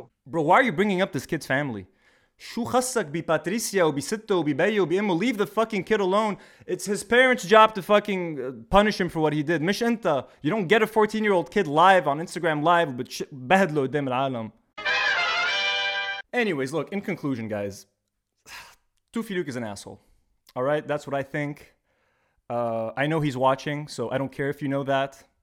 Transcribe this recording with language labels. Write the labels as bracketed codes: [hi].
[en] Bro, why are you bringing up this kid's family? [ar] شو خصك بباتريسيا وبسته وببي وبامه؟ [en] leave the fucking kid alone. It's his parents' job to fucking punish him for what he did. [ar] مش انت. [en] You don't get a 14-year-old kid live on Instagram live [ar] بهدله قدام العالم. [en] Anyways, look, in conclusion, guys, Toofy Luke is an asshole. All right, that's what I think. I know he's watching, so I don't care if you know that.